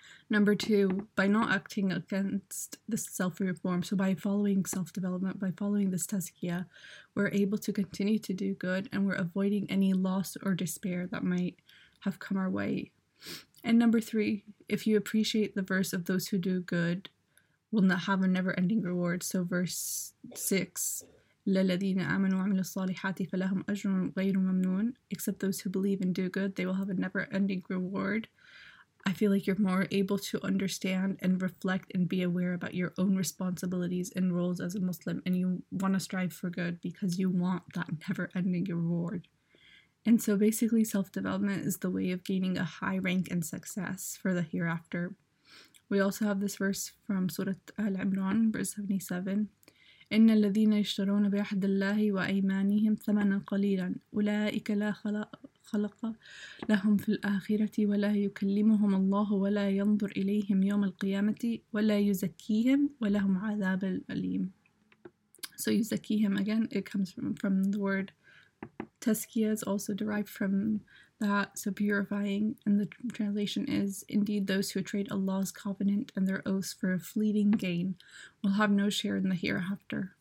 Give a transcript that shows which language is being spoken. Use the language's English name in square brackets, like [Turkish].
[English] Number two, by not acting against this self-reform, so by following self-development, by following this tazkiyah, we're able to continue to do good and we're avoiding any loss or despair that might have come our way. And number three, if you appreciate the verse of those who do good, will not have a never-ending reward. So verse 6, [Arabic] لَلَّذِينَ آمَنُوا وَعَمِلُوا الصَّالِحَاتِ فَلَهُمْ أَجْرٌ غَيْرُ مَمْنُونَ. [English] Except those who believe and do good, they will have a never-ending reward. I feel like you're more able to understand and reflect and be aware about your own responsibilities and roles as a Muslim, and you want to strive for good because you want that never-ending reward. And so basically, self-development is the way of gaining a high rank and success for the hereafter. We also have this verse from Surah Al-Imran, verse 77. [Arabic] إن الذين يشترون بعهد الله وأيمانهم ثمنا قليلا أولئك لا خلق لهم في الآخرة ولا يكلمهم الله ولا ينظر إليهم يوم القيامة ولا يزكيهم ولهم عذاب أليم. [English] So يزكيهم, again it comes from the word tazkiyah, is also derived from that, so purifying, and the translation is, indeed those who trade Allah's covenant and their oaths for a fleeting gain will have no share in the hereafter.